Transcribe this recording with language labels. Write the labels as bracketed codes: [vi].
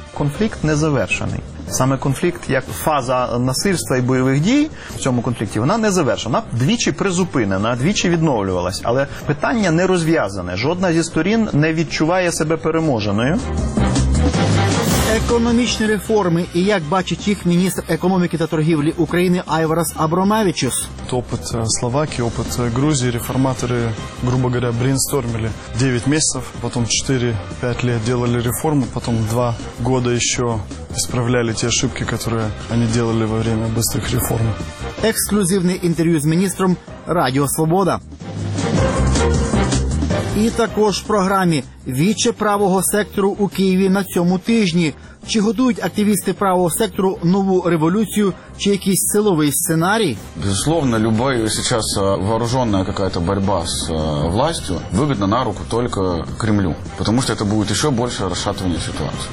[uk] Конфлікт не завершений. Саме конфлікт як фаза насильства і бойових дій в цьому конфлікті, вона не завершена. Вона двічі призупинена, двічі відновлювалась. Але питання не розв'язане. Жодна зі сторін не відчуває себе переможеною. Економічні реформи і як бачить їх міністр економіки та торгівлі України Айварас Абромавичус. [ru] Опыт Словакии, опыт Грузии, реформаторы, грубо говоря, брейнстормили 9 месяцев, потом 4-5 лет делали реформу, потом 2 года еще исправляли те ошибки, которые они делали во время быстрых реформ. Эксклюзивное интервью с министром Радио Свобода. [uk] І також в програмі «Віче правого сектору у Києві на цьому тижні». Чи готують активісти правого сектору нову революцію чи якийсь силовий сценарій? [ru] Безусловно, [uk] будь-яка зараз якась боротьба з владою вигідна на руку тільки Кремлю, тому що це буде ще більше розшатування ситуації.